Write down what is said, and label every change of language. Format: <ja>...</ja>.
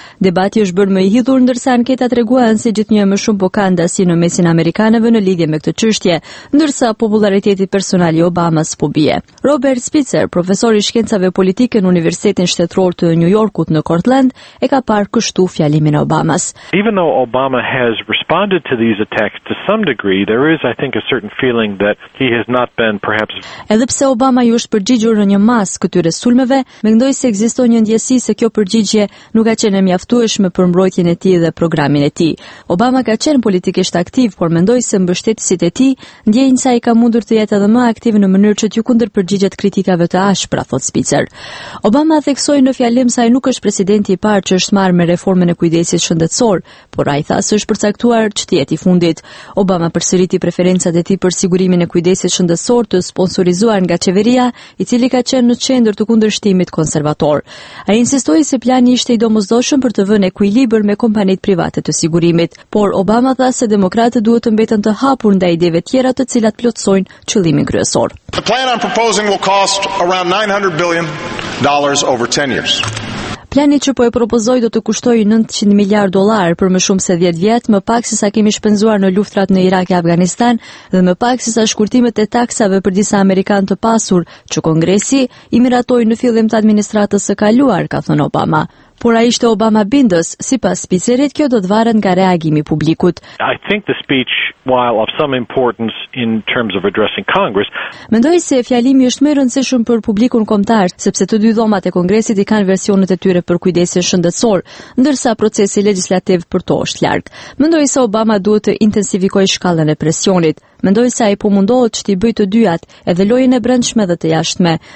<sq>Debati është bërë më i hidhur ndërsa anketa treguan se gjithnjë më shumë po kanë dasi në mesin amerikanëve në lidhje me këtë çështje, ndërsa populariteti personal i Obamas po bie. Robert Spitzer, profesor i shkencave politike në Universitetin Shtetëror të New Yorkut në Cortland, e ka parë kështu fjalimin e Obamas.</sq> <en>Even though Obama has responded to these attacks to some degree, there is I think a certain feeling that he has not been perhaps.</en> <sq>Edhe pse Obama i është përgjigjur në një masë këtyre sulmeve, mendoj se ekziston një ndjesi se kjo përgjigje nuk ka qenë mjaftueshme për mbrojtjen e tij dhe programin e tij. Obama ka qenë politikisht aktiv, por mendoj se mbështetësit e tij ndjejnë se ai ka mundur të jetë edhe më aktiv në mënyrë që t'ju kundërpërgjigjet kritikave të ashpra, thot Spitzer. Obama theksoi në fjalim se ai nuk është presidenti i parë që është marrë me reformën e kujdesit shëndetësor, por ai tha se është përcaktuar që të jetë i fundit. Obama përsëriti preferencat e tij për sigurimin e kujdesit shëndetësor të sponsorizuar nga qeveria, i cili ka qenë në qendër të kundërshtimit konservator. Ai insistoi se plani ishte i domosdoshëm për të vënë ekuilibër me kompanitë private të sigurimit, por Obama tha se demokratët duhet të mbeten të hapur ndaj ideve tjera të cilat plotësojnë qëllimin kryesor.</sq> <en>The plan I'm proposing will cost around $900 billion over 10 years.</en> <sq>Plani që po e propozoj do të kushtojë $900 miliard për më shumë se 10 vjet, më pak se sa kemi shpenzuar në luftrat në Irak e Afganistan dhe më pak se sa shkurtimet e taksave për disa amerikanë të pasur që Kongresi i miratoi në fillim të administratës së kaluar, ka thënë Obama. Por ai ishte Obama bindës, sipas Spitzerit kjo do të varet nga reagimi i publikut.</sq> <en>I think the speech, while of some importance in terms of addressing Congress,</en> <sq>mendoj se fjalimi është më i rëndësishëm për publikun kombëtar, sepse të dy dhomat e Kongresit i kanë versionet e tyre për kujdesin shëndetësor, ndërsa procesi legjislativ për to është larg. Mendoj se Obama duhet të intensifikojë shkallën e presionit. Mendoj se ai po mundohet që t'i bëjë të dyat, edhe lojën e brendshme dhe të jashtme.</sq>